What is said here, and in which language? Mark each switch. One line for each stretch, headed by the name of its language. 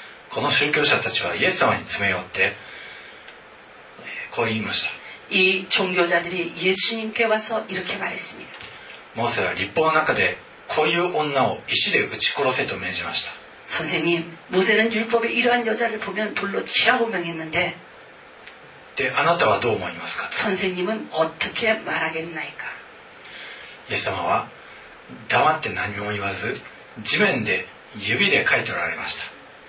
Japanese: この宗教者たちはイエス様に詰め寄ってこう言いました
Korean: 이종교자들이예수님께와서이렇게말했습니다
Japanese: 모세가律法の中でこういう女を石で打ち殺せと命じました
Korean: 선생님모세는율법에이러한여자를보면돌로치라고명했는데
Japanese: で、あなたはどう思いますか
Korean: 선생님은어떻게말하겠나이까
Japanese: イエス様は黙って何も言わず地面で指で書いておられました